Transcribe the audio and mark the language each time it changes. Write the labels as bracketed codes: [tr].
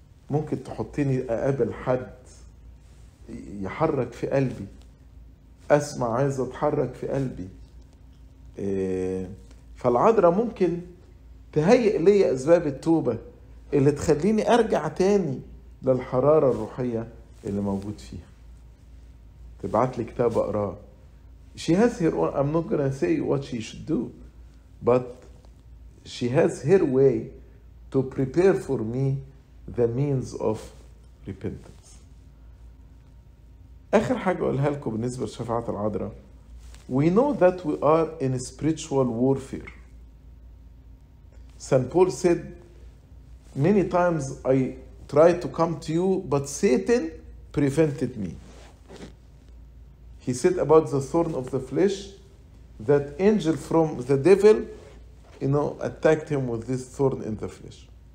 [ar] ممكن تحطيني أقابل حد يحرك في قلبي. أسمع عايز أتحرك في قلبي. فالعذراء ممكن تهيئ لي أسباب التوبة اللي تخليني أرجع تاني للحرارة الروحية اللي موجود فيها. تبعت لي كتاب أقراه. [en] She has her own, I'm not going to say what she should do, but she has her way to prepare for me the means of repentance. [ar] آخر حاجة أقولها لكم بالنسبة لشفاعة العذراء. [en] We know that we are in spiritual warfare. St. Paul said, many times I tried to come to you, but Satan prevented me. He said about the thorn of the flesh, that angel from the devil, you know, attacked him with this thorn in the flesh.